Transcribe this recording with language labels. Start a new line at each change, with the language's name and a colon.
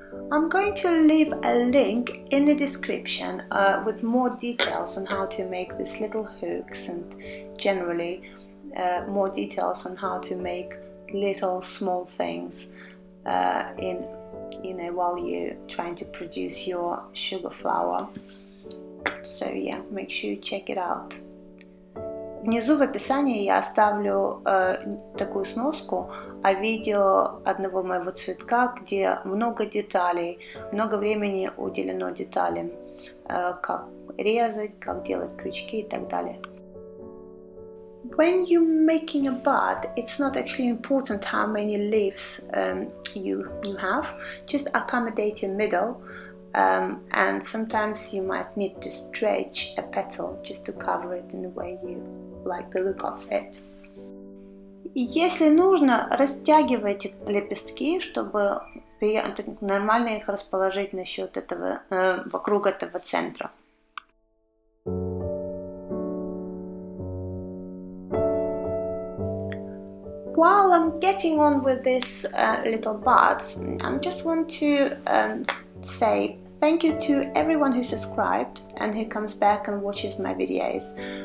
English: I'm going to leave a link in the description with more details on how to make these little hooks and generally more details on how to make little small things while you're trying to produce your sugar flower. So yeah, make sure you check it out.
Russian: Внизу в описании я оставлю такую сноску о видео одного моего цветка, где много деталей, много времени уделено деталям, как резать, как делать крючки и так далее.
English: When you're making a bud, it's not actually important how many leaves you have, just accommodate your middle. And sometimes you might need to stretch a petal just to cover it in the way you like the look of it.
Russian: Если нужно, растягивайте лепестки, чтобы нормально их расположить насчет этого вокруг этого центра.
English: While I'm getting on with this little buds, I just want to say thank you to everyone who subscribed and who comes back and watches my videos.